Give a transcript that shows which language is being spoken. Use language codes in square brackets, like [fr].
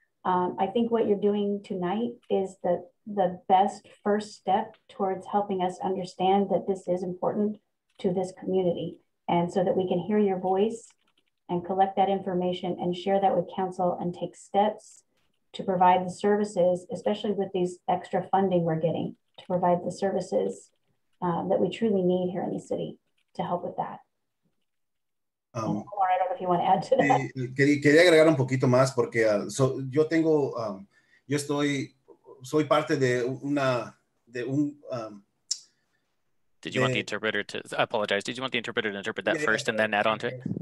[en] I think what you're doing tonight is the best first step towards helping us understand that this is important to this community, and so that we can hear your voice and collect that information and share that with council and take steps to provide the services, especially with these extra funding we're getting, to provide the services that we truly need here in the city to help with that. I don't know if you want to add to that. [es] Quería agregar un poquito más porque soy parte de una de un. [en] Did you want the interpreter to? I apologize. Did you want the interpreter to interpret that first and then add on to it?